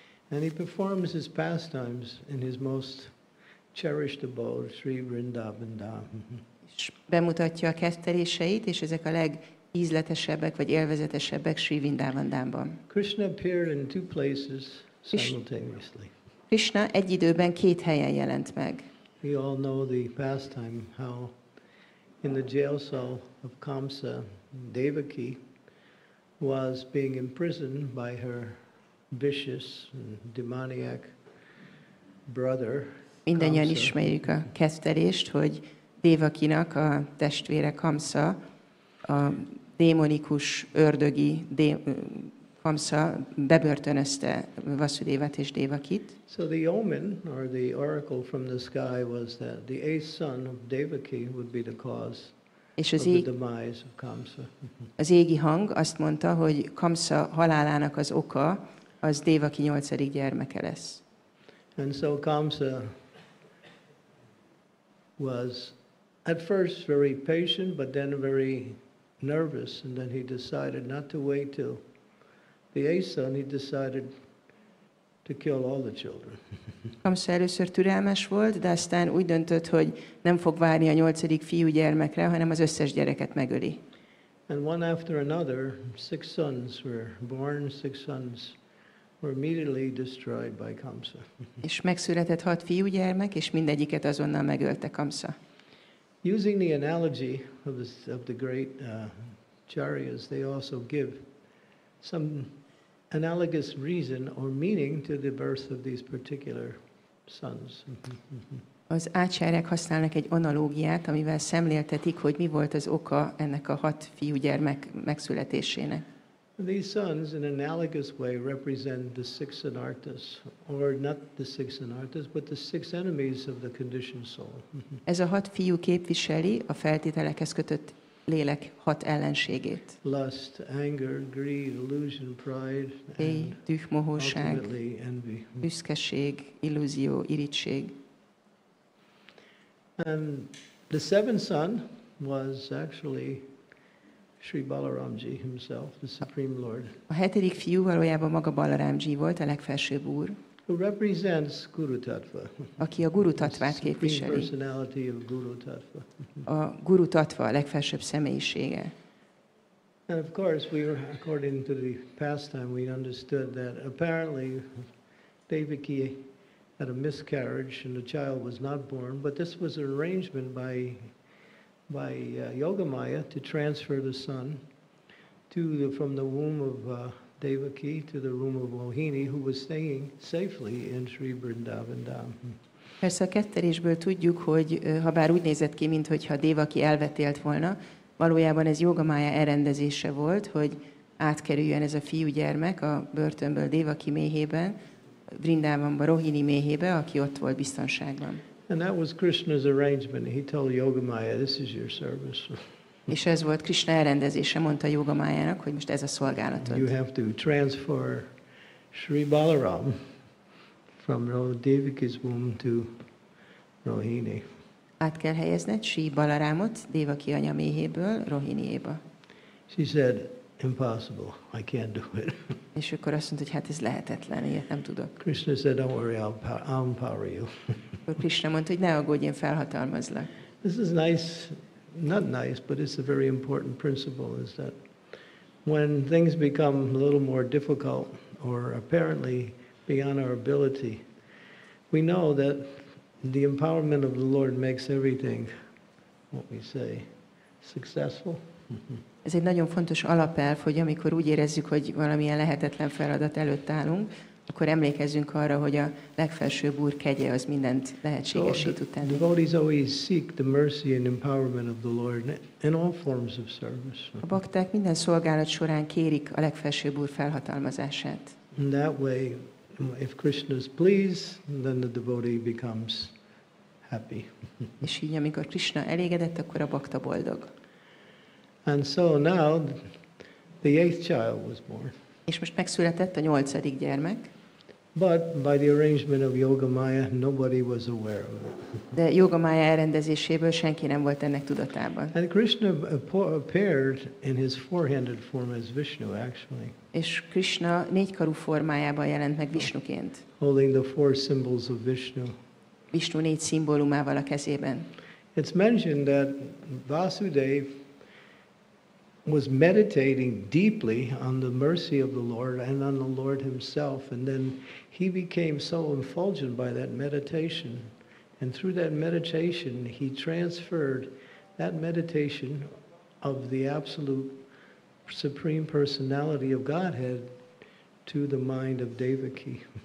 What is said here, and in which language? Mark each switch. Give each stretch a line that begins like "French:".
English: And he performs his pastimes in his most cherished abode, Sri Vrindavan Dham.
Hungarian: És bemutatja a kezdteléseit, és ezek a legízletesebbek vagy élvezetesebbek Sri Vrindavan Dhamban.
English: Krishna appeared in two places simultaneously.
Hungarian: Krishna egy időben két helyen jelent meg.
English: We all know the pastime how in the jail cell of Kamsa, Devaki was being imprisoned by her vicious and demoniac brother.
Hungarian: Mindannyian ismerjük a kezdelést, hogy Devakinak a testvére Kamsa, a démonikus ördögi Kamsa bebörtönözte Vasudevát és Devakit.
English: So the omen or the oracle from the sky was that the eighth son of Devaki would be the cause of the demise of Kamsa.
Hungarian: Az égi hang azt mondta, hogy Kamsa halálának az oka az Devaki nyolcadik gyermeke lesz.
English: And so Kamsa was at first very patient, but then very nervous, and then he decided not to wait till the eighth son, he decided to kill all the children.
Hungarian: Kamsa először türelmes volt, de aztán úgy döntött, hogy nem fog várni a nyolcadik fiú gyermekre, hanem az összes gyereket megöli.
English: And one after another, six sons were born, six sons were immediately destroyed by Kamsa.
Hungarian: És megszületett hat fiú gyermek, és mindegyiket azonnal megölte Kamsa.
English: Using the analogy of the great acharyas, they also give some analogous reason or meaning to the birth of these particular sons.
Hungarian: Az ácsárek használnak egy analógiát, amivel szemléltetik, hogy mi volt az oka ennek a hat fiú gyermek megszületésének.
English: These sons, in analogous way, represent the six anarthas, or not the six anarthas, but the six enemies of the conditioned soul.
Hungarian: Ez a hat fiú képviseli a feltételekhez kötött lélek hat ellenségét.
English: Lust, anger, greed, illusion, pride, and ultimately envy.
Hungarian: Büszkeség, illúzió, irigység.
English: And the seventh son was actually Sri Balaramji himself, the Supreme Lord.
Hungarian: A hetedik fiú valójában maga Balaramji volt, a legfelsőbb úr.
English: Who represents Guru Tattva.
Hungarian: Aki a Guru Tattvát képviseli.
English: Supreme personality of Guru Tattva.
Hungarian: A Guru Tattva, a legfelsőbb személyisége.
English: And of course, we were, according to the pastime, we understood that apparently Devaki had a miscarriage and the child was not born, but this was an arrangement by Yogamaya to transfer the son from the womb of Devaki to the womb of Mohini, who was staying safely in Sri Vrindavan Dham.
Hungarian: Persze a kettelésből tudjuk, hogy ha bár úgy nézett ki, mintha Devaki elvetélt volna, valójában ez Yogamaya elrendezése volt, hogy átkerüljön ez a fiúgyermek a börtönből Devaki méhében, Vrindavanba, Rohini méhébe, aki ott volt biztonságban.
English: And that was Krishna's arrangement. He told Yogamaya, "This is your service."
Hungarian: És ez volt Krishna elrendezése, mondta Yogamayának, hogy most ez a szolgálatod.
English: You have to transfer Sri Balaram from Devaki's womb to Rohini.
Hungarian: Át kell helyezned Sri Balaramot Devaki anya méhéből Rohiniéba.
English: She said, "Impossible. I can't do it."
Hungarian: És akkor azt mondta, hogy hát ez lehetetlen, ilyet nem tudok.
English: Krishna said, "Don't worry, I'll empower you."
Hungarian: Akkor Krishna mondta, hogy ne aggódj, én felhatalmazlak.
English: This is nice, not nice, but it's a very important principle, is that when things become a little more difficult or apparently beyond our ability, we know that the empowerment of the Lord makes everything, what we say, successful.
Hungarian: Ez egy nagyon fontos alapelv, hogy amikor úgy érezzük, hogy valamilyen lehetetlen feladat előtt állunk, akkor emlékezzünk arra, hogy a legfelsőbb úr kegye az mindent lehetségesít utáni.
English: The devotees always seek the mercy and empowerment of the Lord in all forms of service.
Hungarian: A bakták minden szolgálat során kérik a legfelsőbb úr felhatalmazását.
English: In that way, if Krishna is pleased, then the devotee becomes happy.
Hungarian: És így, amikor Krishna elégedett, akkor a bakta boldog.
English: And so now, the eighth child was born.
Hungarian: És most megszületett a nyolcadik gyermek.
English: But by the arrangement of Yoga Maya, nobody was aware of it.
Hungarian: De Yoga Maya elrendezéséből senki nem volt ennek tudatában.
English: And Krishna appeared in his four-handed form as Vishnu, actually.
Hungarian: És Krishna négykarú formájában jelent meg Vishnuként.
English: Holding the four symbols of Vishnu.
Hungarian: Vishnu négy szimbólumával a kezében.
English: It's mentioned that Vasudev was meditating deeply on the mercy of the Lord and on the Lord himself, and then he became so effulgent by that meditation, and through that meditation he transferred that meditation of the absolute supreme personality of Godhead to the mind of Devaki.